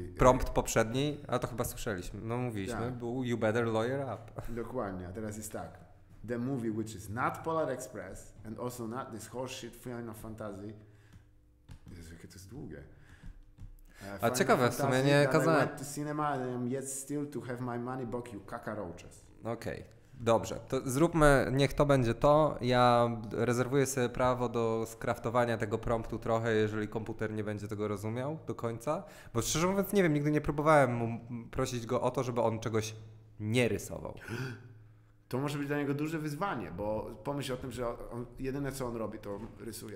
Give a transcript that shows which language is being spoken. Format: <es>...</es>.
<pl>Prompt poprzedni, a to chyba słyszeliśmy, no mówiliśmy, tak. Był You Better Lawyer Up. Dokładnie, a teraz jest tak.</pl> <en>The movie, which is not Polar Express and also not this horseshit film of fantasy.</en> <pl>Jezu, jakie to jest długie. A ciekawe, w sumie nie kazałem.</pl> <en>I went to cinema and I'm yet still to have my money back, you cockroaches.</en> <pl>Okej, okay. Dobrze. To zróbmy, niech to będzie to. Ja rezerwuję sobie prawo do skraftowania tego promptu trochę, jeżeli komputer nie będzie tego rozumiał do końca. Bo szczerze mówiąc, nie wiem, nigdy nie próbowałem prosić go o to, żeby on czegoś nie rysował. To może być dla niego duże wyzwanie, bo pomyśl o tym, że on, jedyne co on robi, to rysuje.</pl>